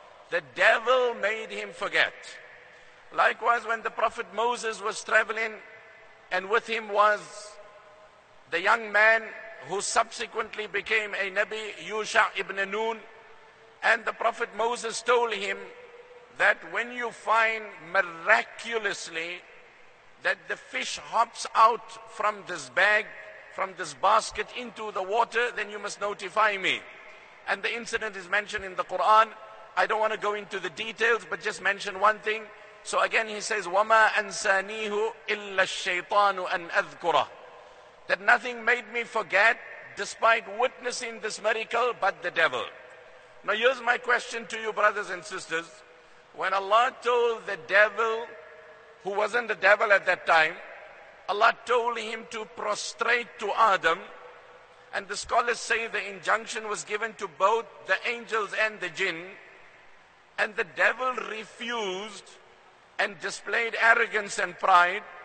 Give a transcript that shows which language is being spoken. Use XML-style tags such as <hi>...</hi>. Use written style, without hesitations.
<en>The devil made him forget. Likewise, when the Prophet Moses was traveling, and with him was the young man who subsequently became a Nabi, Yusha ibn Nun, and the Prophet Moses told him that when you find miraculously that the fish hops out from this bag, from this basket into the water, then you must notify me. And the incident is mentioned in the Quran. I don't want to go into the details, but just mention one thing. So again, he says,</en> <ar>وَمَا أَنْسَانِيهُ إِلَّا الشَّيْطَانُ أَنْ أَذْكُرَهُ.</ar> <en>That nothing made me forget, despite witnessing this miracle, but the devil. Now here's my question to you, brothers and sisters. When Allah told the devil, who wasn't the devil at that time, Allah told him to prostrate to Adam, and the scholars say the injunction was given to both the angels and the jinn, and the devil refused and displayed arrogance and pride.</en>